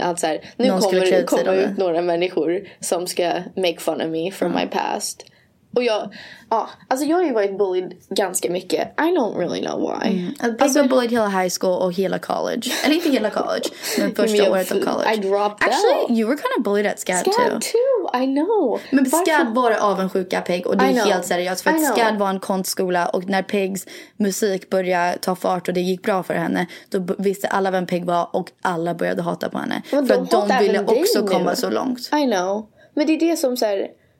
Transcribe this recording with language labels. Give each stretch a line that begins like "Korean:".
Swedish: Att så här, nu kommer ut några människor som ska
English: make fun of me from my past.
Swedish: Och jag, alltså jag har ju varit bullied ganska mycket.
English: I don't really know why.
Swedish: Mm. Alltså,
English: I've bullied
Swedish: hela high school och hela college. Eller inte hela college, men första året av college.
English: I dropped out. Actually, you were kind of bullied at SCAD too. I know.
Swedish: Men varför? SCAD var avundsjuka Pig, och det är helt seriöst. För att SCAD var en konstskola, och när Pigs musik började ta fart och det gick bra för henne, då visste alla vem Pig var, och alla började hata på henne.
English: Well,
Swedish: för att de ville också komma så långt.
English: I know.
Swedish: Men det är det som säger.